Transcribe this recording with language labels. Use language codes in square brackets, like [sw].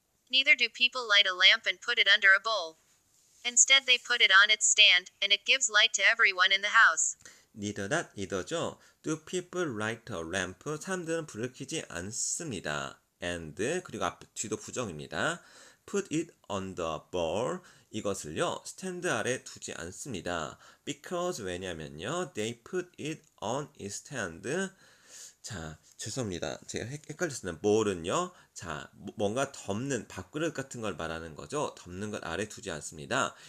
[en] Neither do people light a lamp and put it under a bowl. Instead, they put it on its stand, and it gives light to everyone in the house. Neither that, either죠. Do people light a lamp? [ko] 사람들은 불을 켜지 않습니다. [en] And, [ko] 그리고 앞, 뒤도 부정입니다. [en] Put it on the bowl. [ko] 이것을요, 스탠드 아래 두지 않습니다. [en] Because, [ko] 왜냐면요, [en] they put it on its stand. [ko] 자, 죄송합니다. 제가 헷갈렸습니다. bowl은요, 자, 뭔가 덮는, 밥그릇 같은 걸 말하는 거죠. 덮는 걸 아래 두지 않습니다.